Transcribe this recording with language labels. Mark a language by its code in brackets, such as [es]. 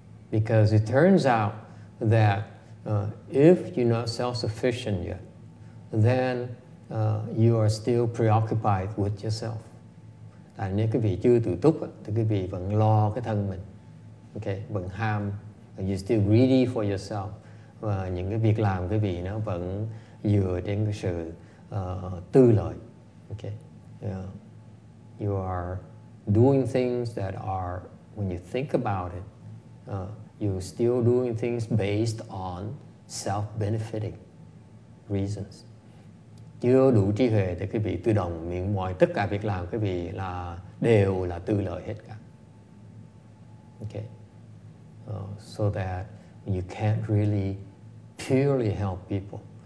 [en] Because it turns out that if you're not self-sufficient yet, then you are still preoccupied with yourself. [vi] À, nếu quý vị chưa tự túc thì quý vị vẫn lo cái thân mình, okay, vẫn ham, [en] you still greedy for yourself, [vi] và những cái việc làm quý vị nó vẫn dựa trên cái sự tư lợi, okay, yeah. [en] You are doing things that are, when you think about it, you're still doing things based on self-benefiting reasons. [vi] Chưa đủ trí huệ thì quý vị tự động miệng mọi tất cả việc làm quý vị là đều là tư lợi hết cả. [en] Okay. So that you can't really purely help people.